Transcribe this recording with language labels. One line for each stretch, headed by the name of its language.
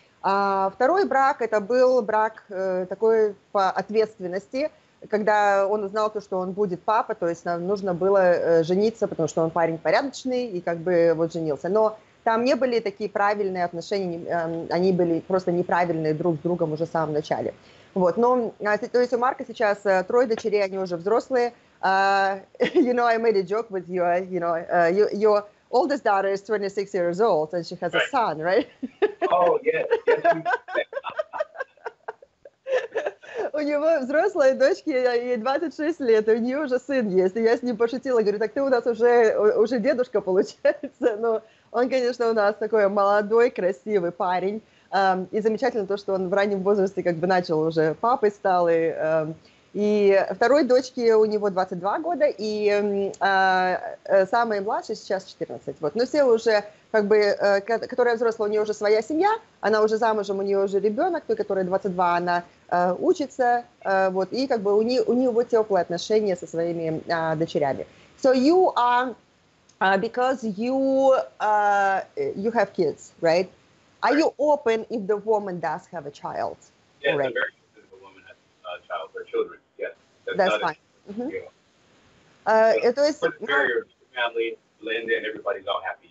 Russian: А второй брак, это был брак такой по ответственности, когда он узнал то, что он будет папа, то есть нам нужно было жениться, потому что он парень порядочный и как бы вот женился. Но там не были такие правильные отношения, они были просто неправильные друг с другом уже в самом начале. Вот, но, то есть у Марка сейчас трое дочерей, они уже взрослые.
English: You know, I made a joke with you, you know, your oldest daughter is 26 years old and she has a son, right? Oh, yes.
Russian: У него взрослые дочки, ей 26 лет, и у нее уже сын есть. И я с ним пошутила, говорю, так ты у нас уже дедушка получается. Но он, конечно, у нас такой молодой, красивый парень. И замечательно то, что он в раннем возрасте как бы начал уже папой стал. И второй дочке у него 22 года, и самый младший сейчас 14. Вот. Но все уже, как бы, которая взрослая, у нее уже своя семья, она уже замужем, у нее уже ребенок, той, которой 22, она учится, вот, и как бы у нее вот теплые отношения со своими дочерями.
English: So you are, because you have kids, right? Are you open if the woman does have a child? Yes, I'm very open if the woman has a child or children. That's fine. Mm-hmm. It was very family blended, and everybody's all happy.